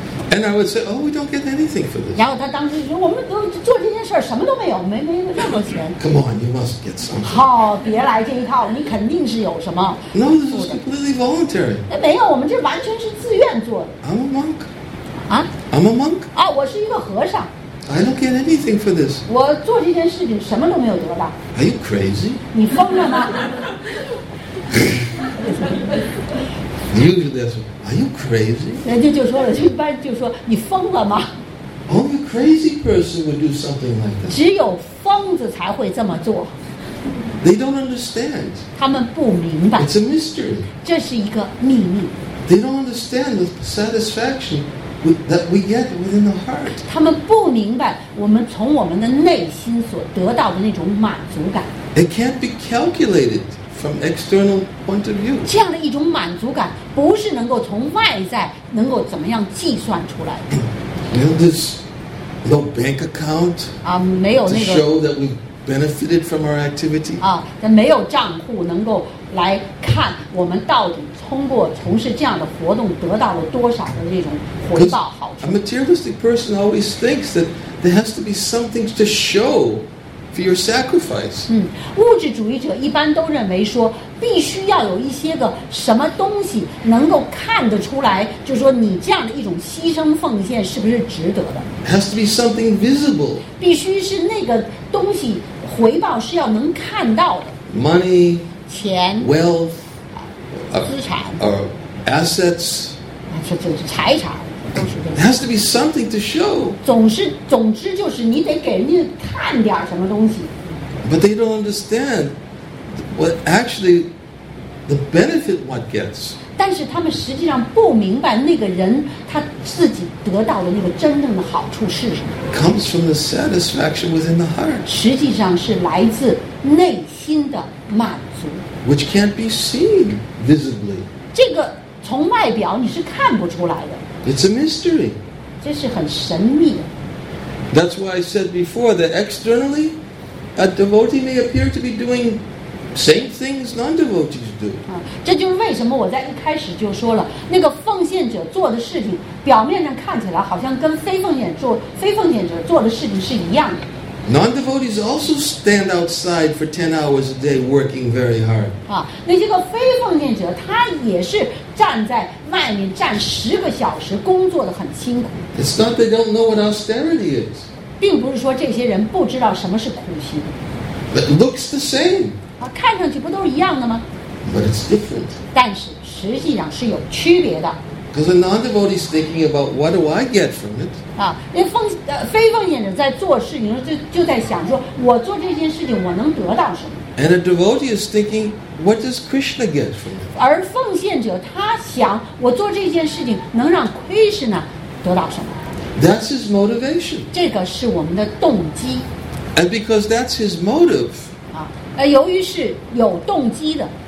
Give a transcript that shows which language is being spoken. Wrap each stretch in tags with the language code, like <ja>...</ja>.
<en>And I would say, oh, we don't get anything for this.</en> <zh>然后他当时说，我们都做这件事什么都没有，没任何钱。</zh> <en>Come on, you must get something.</en> <zh>好，别来这一套，你肯定是有什么。</zh> <en>No, this is completely voluntary.</en> <zh>没有，我们这完全是自愿做的。</zh> <en>I'm a monk. 啊？I'm a monk.</en> <zh>啊，我是一个和尚。</zh> <en>I don't get anything for this.</en> <zh>我做这件事情什么都没有得到。</zh> <en>Are you crazy?</en> <zh>你疯了吗？</zh> <en>Usually they say, "Are you crazy?"</en> <zh>人家就说了，一般就说你疯了吗</zh> <en>？Only crazy person would do something like that.</en> <zh>只有疯子才会这么做。</zh> <en>They don't understand.</en> <zh>他们不明白。</zh> <en>It's a mystery.</en> <zh>这是一个秘密。</zh> <en>They don't understand the satisfaction that we get within the heart.</en> <zh>他们不明白我们从我们的内心所得到的那种满足感。</zh> <en>It can't be calculated. From external point of view,</en> <zh>这样的一种满足感不是能够从外在能够怎么样计算出来的。</zh> <en>You know, there's no bank account</en> <zh>啊，没有那个</zh> <en>to show that we benefited from our activity</en> <zh>啊，但没有账户能够来看我们到底通过从事这样的活动得到了多少的这种回报好处。</zh> <en>A materialistic person always thinks that there has to be something to show. For your sacrifice.</en> <zh>嗯，物质主义者一般都认为说，必须要有一些个什么东西能够看得出来，就是说你这样的一种牺牲奉献是不是值得的。</zh> <en>Has to be something visible.</en> <zh>必须是那个东西回报是要能看到的。</zh> <en>Money.</en> <zh>钱。</zh> <en>Wealth.</en> <zh>资产。</zh> <en>Or assets.</en> <zh>啊，这财产。</zh> <en>It has to be something to show.</en> <zh>总之就是你得给人家看点什么东西。</zh> <en>But they don't understand what actually the benefit one gets.</en> <zh>但是他们实际上不明白那个人他自己得到的那个真正的好处是什么。</zh> <en>Comes from the satisfaction within the heart.</en> <zh>实际上是来自内心的满足。</zh> <en>Which can't be seen visibly.</en> <zh>这个从外表你是看不出来的。</zh> <en>It's a mystery.</en> <zh>这是很神秘的。</zh> <en>That's why I said before that externally, a devotee may appear to be doing same things non-devotees do.</en> <zh>这就是为什么我在一开始就说了，那个奉献者做的事情，表面上看起来好像跟非奉献者做的事情是一样的。</zh> <en>Non-devotees also stand outside for 10 hours a day working very hard.</en> <zh>啊，那些个非奉献者，他也是站在外面站十个小时，工作的很辛苦。</zh> <en>It's not they don't know what austerity is.</en> <zh>并不是说这些人不知道什么是苦行。</zh> <en>But looks the same.</en> <zh>啊，看上去不都是一样的吗？</zh> <en>But it's different.</en> <zh>但是实际上是有区别的。</zh> <en>Because a non-devotee is thinking about what do I get from it?</en> <zh>啊，那非奉献者在做事情时就在想说，我做这件事情我能得到什么</zh> <en>？And a devotee is thinking what does Krishna get from it?</en> <zh>而奉献者他想，我做这件事情能让 Krishna 得到什么</zh> <en>？That's his motivation.</en> <zh>这个是我们的动机。</zh> <en>And because that's his motive.</en> <zh>啊，由于是有动机的。</zh>